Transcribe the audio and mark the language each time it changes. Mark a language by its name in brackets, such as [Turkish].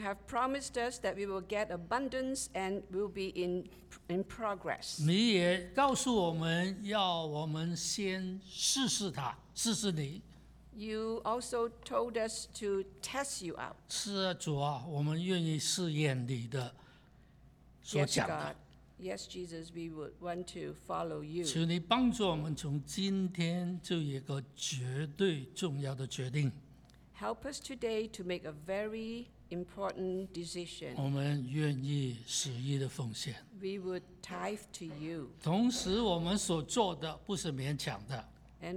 [English] have promised us that we will get abundance and will be in progress. [Chinese] 你也告诉我们要我们先试试他，试试你。 [English] You also told us to test you out. [Chinese] 是啊，主啊，我们愿意试验你的。 [English] Yes, Jesus, we would want to follow you. [Chinese] 求你帮助我们从今天做一个绝对重要的决定。 [English] Help us today to make a very important decision. [Chinese] 我们愿意十一的奉献。 [English] We would tithe to you. [Chinese] 同时我们所做的不是勉强的。 [English] And